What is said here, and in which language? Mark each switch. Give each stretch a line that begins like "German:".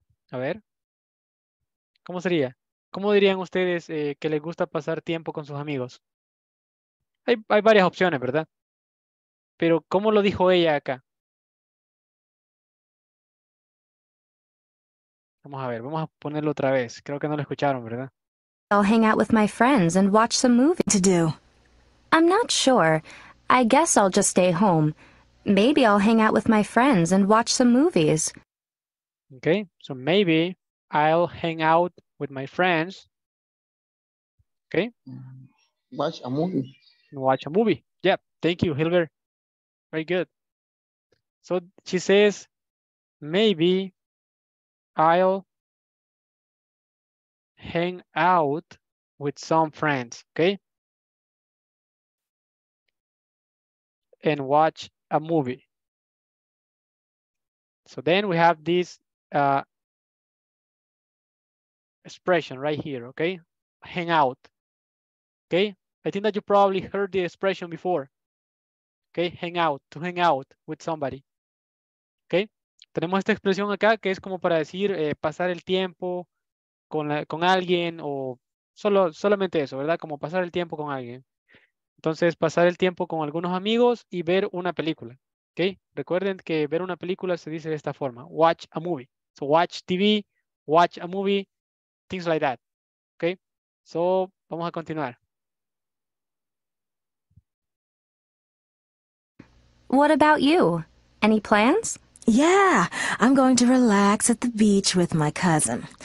Spanish: A ver. ¿Cómo sería? ¿Cómo dirían ustedes que les gusta pasar tiempo con sus amigos? Hay varias opciones, ¿verdad? Pero, ¿cómo lo dijo ella acá? Vamos a ver, vamos a ponerlo otra vez. Creo que no lo escucharon, ¿verdad?
English: I'll hang out with my friends and watch some movie to do. I'm not sure. I guess I'll just stay home. Maybe I'll hang out with my friends and watch some movies. Okay, so maybe I'll hang out with my friends. Okay? Watch a movie. Watch a movie. Yeah, thank you, Hilbert. Very good. So she says, maybe I'll hang out with some friends, okay? And watch a movie. So then we have this expression right here, okay? Hang out, okay? I think that you probably heard the expression before. Okay, hang out, to hang out with somebody.
Spanish: Okay, tenemos esta expresión acá que es como para decir pasar el tiempo con alguien o solamente eso, ¿verdad? Como pasar el tiempo con alguien. Entonces, pasar el tiempo con algunos amigos y ver una película. ¿Okay? Recuerden que ver una película se dice de esta forma.
English: Watch a movie. So, watch TV, watch a movie, things like that.
Spanish: ¿Okay? So, vamos a continuar.
English: What about you? Any plans? Yeah, I'm going to relax at the beach with my cousin.